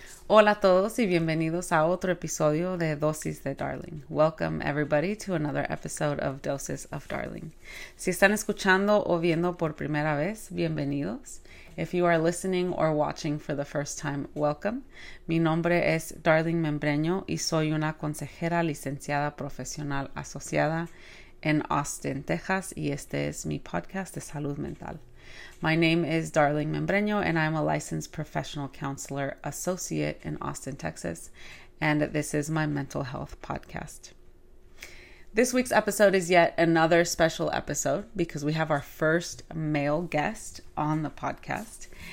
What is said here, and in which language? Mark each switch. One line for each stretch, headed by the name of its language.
Spanish: Hola a todos y bienvenidos a otro episodio de Dosis de Darling.
English: Welcome everybody to another episode of Doses of Darling.
Spanish: Si están escuchando o viendo por primera vez, bienvenidos.
English: If you are listening or watching for the first time, welcome.
Spanish: Mi nombre es Darling Membreño y soy una consejera licenciada profesional asociada en Austin, Texas, y este es mi podcast de salud mental.
English: My name is Darling Membreño, and I'm a licensed professional counselor associate in Austin, Texas, and this is my mental health podcast. This week's episode is yet another special episode because we have our first male guest on the podcast.